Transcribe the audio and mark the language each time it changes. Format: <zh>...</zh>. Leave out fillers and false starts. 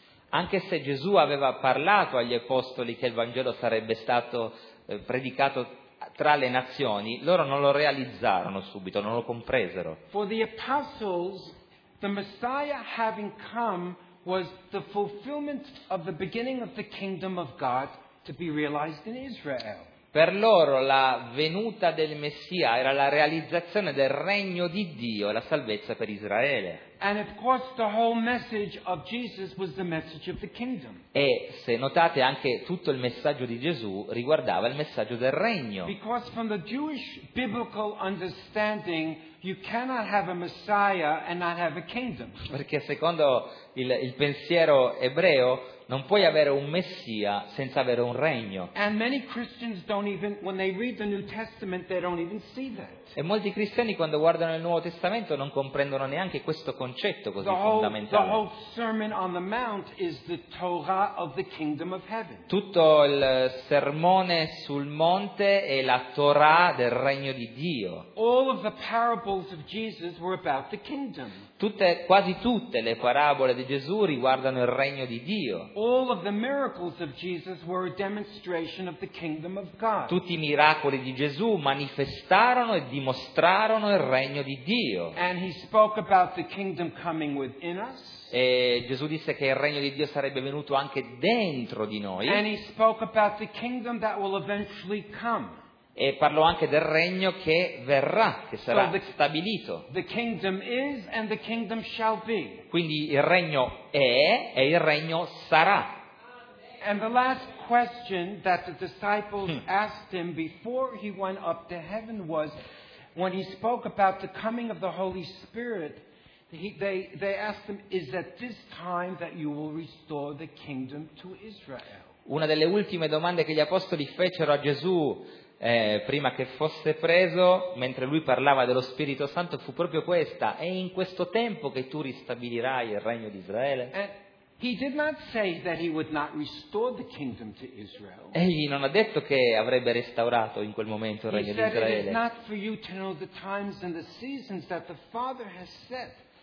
<it>Anche se Gesù aveva parlato agli apostoli che il Vangelo sarebbe stato predicato tra le nazioni, loro non lo realizzarono subito, non lo compresero.</it> <en>For the apostles, the Messiah having come was the fulfillment of the beginning of the kingdom of God to be realized in Israel.</en> <it>Per loro la venuta del Messia era la realizzazione del regno di Dio e la salvezza per Israele.</it> <en>And of course the whole message of Jesus was the message of the kingdom.</en> <it>E se notate anche tutto il messaggio di Gesù riguardava il messaggio del regno.</it> <en>Because from the Jewish biblical understanding you cannot have a Messiah and not have a kingdom.</en> <it>Perché secondo il pensiero ebreo Non puoi avere un Messia senza avere un regno.</it> <en>And many Christians don't even, when they read the New Testament, they don't even see that.</en> <it>E molti cristiani quando guardano il Nuovo Testamento non comprendono neanche questo concetto così fondamentale.</it> <en>The whole Sermon on the Mount is the Torah of the Kingdom of Heaven.</en> <it>Tutto il sermone sul monte è la Torah del regno di Dio.</it> <en>All of the parables of Jesus were about the kingdom.</en> <it>Tutte, quasi tutte le parabole di Gesù riguardano il regno di Dio.</it> <en>All of the miracles of Jesus were a demonstration of the kingdom of God.</en> <it>Tutti i miracoli di Gesù manifestarono e dimostrarono il regno di Dio.</it> <en>And he spoke about the kingdom coming within us.</en> <it>E Gesù disse che il regno di Dio sarebbe venuto anche dentro di noi.</it> <en>And he spoke about the kingdom that will eventually come.</en> <it>E parlò anche del regno che verrà, che sarà stabilito.</it> <en>The kingdom is and the kingdom shall be.</en> <it>Quindi il regno è e il regno sarà.</it> <en>And the last question that the disciples asked him before he went up to heaven was, when he spoke about the coming of the Holy Spirit, they asked him, is at this time that you will restore the kingdom to Israel?</en> <it>Una delle ultime domande che gli apostoli fecero a Gesù prima che fosse preso, mentre lui parlava dello Spirito Santo, fu proprio questa: è in questo tempo che tu ristabilirai il regno di Israele?</it> <en>He did not say that he would not restore the kingdom to Israel.</en> <it>Egli non ha detto che avrebbe restaurato in quel momento il regno di Israele.</it> <en>It is not for you to know the times and the seasons that the Father has set.</en>